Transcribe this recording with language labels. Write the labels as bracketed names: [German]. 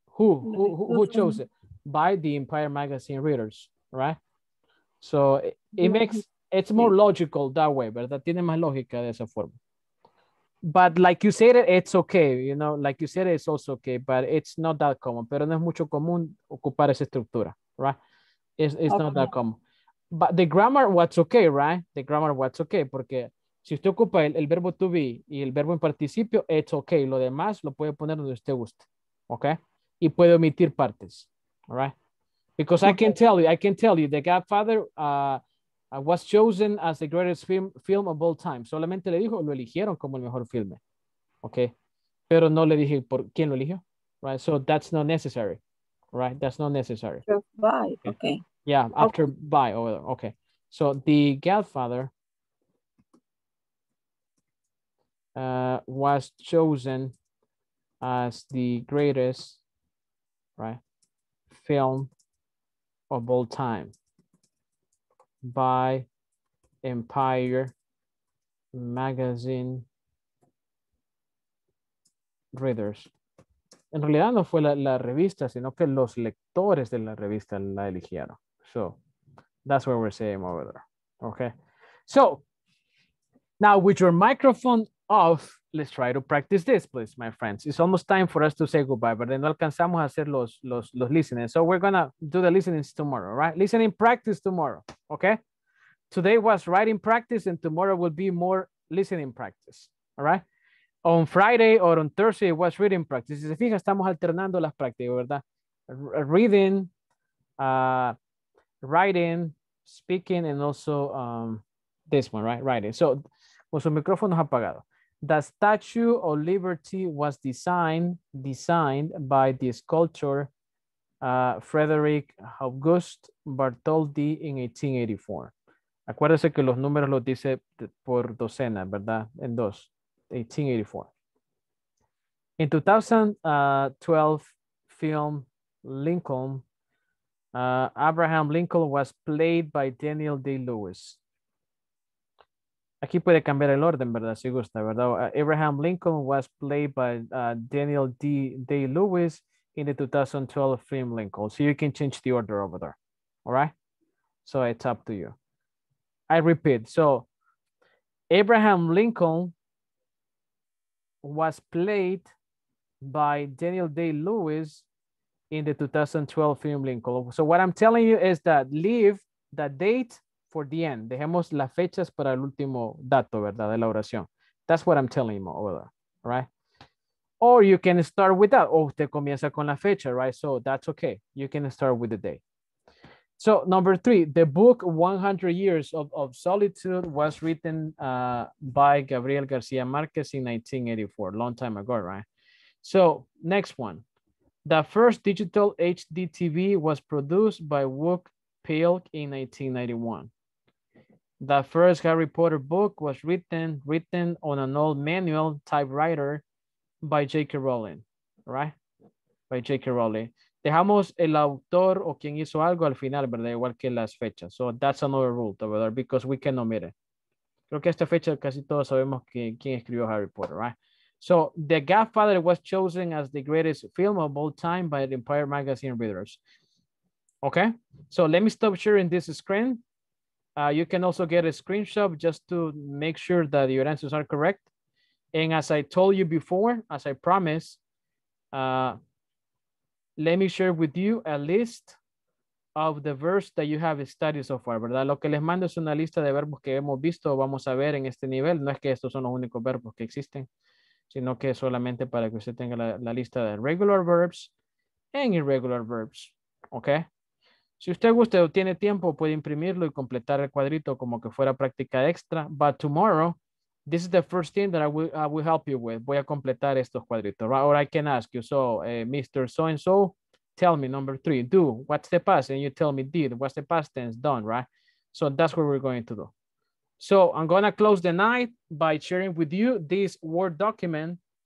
[English] Who chose it? By the Empire Magazine readers, right? So it makes it's more logical that way, ¿verdad? [Spanish] Tiene más lógica de esa forma. [English] But like you said, it's okay, you know, like you said, it's also okay, but it's not that common. [Spanish] Pero no es mucho común ocupar esa estructura, right? [English] It's okay. Not that common. But the grammar was okay, right? The grammar was okay, [Spanish] porque si usted ocupa el verbo to be y el verbo en participio, [English] it's okay. [Spanish] Lo demás lo puede poner donde usted guste, okay? Y puede omitir partes, right? Because okay. [English] I can tell you, The Godfather, I was chosen as the greatest film of all time. [Spanish] Solamente le dijo, lo eligieron como el mejor filme. Okay. Pero no le dije por quién lo eligió. [English] Right. So that's not necessary. Right. That's not necessary. Bye. Okay. Yeah. After okay. Bye. Okay. So The Godfather was chosen as the greatest, right, film of all time. By Empire Magazine readers. [Spanish] en realidad no fue la revista, sino que los lectores de la revista la eligieron. [English] So, that's what we're saying over there. Okay. So, now with your microphone off, let's try to practice this, please, my friends. It's almost time for us to say goodbye, but then [Spanish] no alcanzamos a hacer los [English] listening. So we're going to do the listenings tomorrow, right? Listening practice tomorrow, okay? Today was writing practice, and tomorrow will be more listening practice, all right? On Friday or on Thursday, was reading practice. [Spanish] Si se fija, estamos alternando las prácticas, ¿verdad? [English] Reading, writing, speaking, and also this one, right? Writing. So, [Spanish] con su micrófono apagado. [English] The Statue of Liberty was designed by the sculptor Frederick Auguste Bartholdi in 1884. [Spanish] Acuérdese que los números los dice por docena, ¿verdad? En dos. [English] 1884. In 2012 film Lincoln, Abraham Lincoln was played by Daniel Day-Lewis. [Spanish] Aquí puede cambiar el orden, ¿verdad? Si gusta, ¿verdad? [English] Abraham Lincoln was played by Daniel Day-Lewis in the 2012 film Lincoln. So you can change the order over there. All right? So it's up to you. I repeat. So Abraham Lincoln was played by Daniel Day-Lewis in the 2012 film Lincoln. So what I'm telling you is that leave the date for the end. [Spanish] Dejemos las fechas para el último dato, ¿verdad? De la oración. [English] That's what I'm telling you over there, right? Or you can start with that. [Spanish] O usted comienza con la fecha, [English] right? So that's okay. You can start with the day. So number three, the book 100 Years of Solitude was written by Gabriel García Márquez in 1984, long time ago, right? So next one, the first digital HDTV was produced by Wook Pilk in 1991. The first Harry Potter book was written on an old manual typewriter by J.K. Rowling, right? By J.K. Rowling. [Spanish] Dejamos el autor o quien hizo algo al final, ¿verdad? Igual que las fechas. [English] So that's another rule, ¿verdad? Because we can omit it. [Spanish] Creo que esta fecha casi todos sabemos quién escribió Harry Potter, right? [English] So The Godfather was chosen as the greatest film of all time by the Empire Magazine readers. Okay, so let me stop sharing this screen. You can also get a screenshot just to make sure that your answers are correct. And as I told you before, as I promised, let me share with you a list of the verbs that you have studied so far, ¿verdad? [Spanish] Lo que les mando es una lista de verbos que hemos visto o vamos a ver en este nivel. No es que estos son los únicos verbos que existen, sino que solamente para que usted tenga la lista de [English] regular verbs and irregular verbs, [Spanish] okay? Si usted gusta o tiene tiempo, puede imprimirlo y completar el cuadrito como que fuera práctica extra. [English] But tomorrow, this is the first thing that I will help you with. [Spanish] Voy a completar estos cuadritos. [English] Or I can ask you, so Mr. So-and-so, tell me number three, do, what's the past? And you tell me did, what's the past tense, done, right? So that's what we're going to do. So I'm going to close the night by sharing with you this Word document.